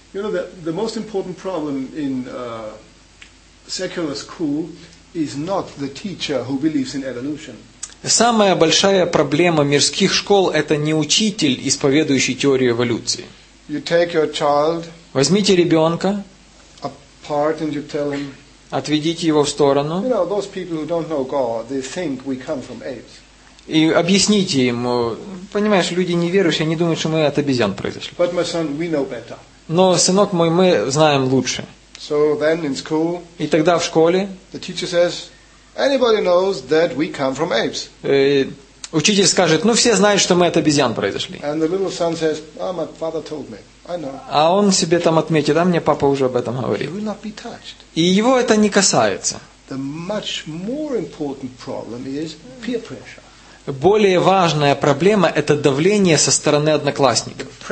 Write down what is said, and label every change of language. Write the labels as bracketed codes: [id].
[en] You know, the most important problem in secular school is not the teacher who believes in evolution. [ru] Самая большая проблема мирских школ – это не учитель, исповедующий теорию эволюции. [en] You take your child, [ru] возьмите ребенка, [en] apart and you tell him, [ru] отведите его в сторону, [en] you know, those people who don't know God, they think we come from apes. [ru] И объясните ему, понимаешь, люди неверующие, они думают, что мы от обезьян произошли. [en] But my son, we know better. [ru] Но, сынок мой, мы знаем лучше. [en] So then in school, [ru] и тогда в школе, [en] the teacher says, anybody knows that we come from apes. [ru] Учитель скажет, ну все знают, что мы от обезьян произошли. [en] And the little son says, oh, my father told me. I know. [ru] А он себе там отметит, а мне папа уже об этом говорил. [en] He will not be touched. [ru] И его это не касается. [en] The much more important problem is peer pressure. [ru] Более важная проблема – это давление со стороны одноклассников.